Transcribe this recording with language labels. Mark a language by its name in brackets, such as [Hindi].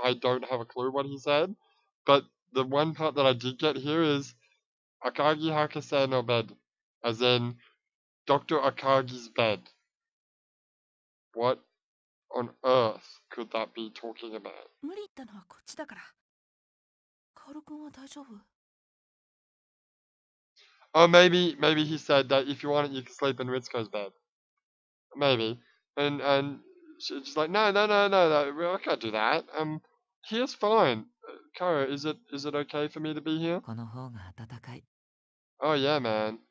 [English] I don't have a clue what he said. But the one part that I did get here is [Japanese] 赤木博士のベッド [English] as in Dr. Akagi's bed. What on earth could that be talking about? [Japanese] 無理言ったのはこっちだから。カオル君は大丈夫? [English] Oh, maybe he said that if you want it, you can sleep in Ritsuko's bed. Maybe. And she's like, no, I can't do that. Here's fine. Kara, is it okay for me to be here? Oh, yeah, man.